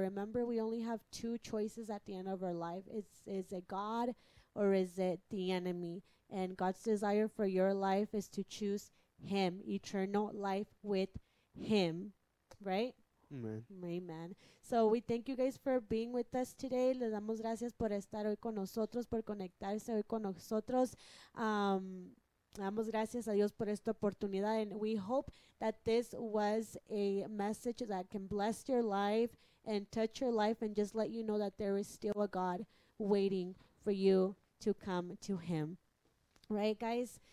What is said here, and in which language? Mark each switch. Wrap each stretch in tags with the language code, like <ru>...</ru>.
<en>Remember, we only have two choices at the end of our life. Is it God or is it the enemy? And God's desire for your life is to choose him, eternal life with him, right? Amen. Amen. So we thank you guys for being with us today.</en> <es>Les damos gracias por estar hoy con nosotros, por conectarse hoy con nosotros. Damos gracias a Dios por esta oportunidad,</es> <en>and we hope that this was a message that can bless your life and touch your life and just let you know that there is still a God waiting for you to come to him. Right, guys?</en>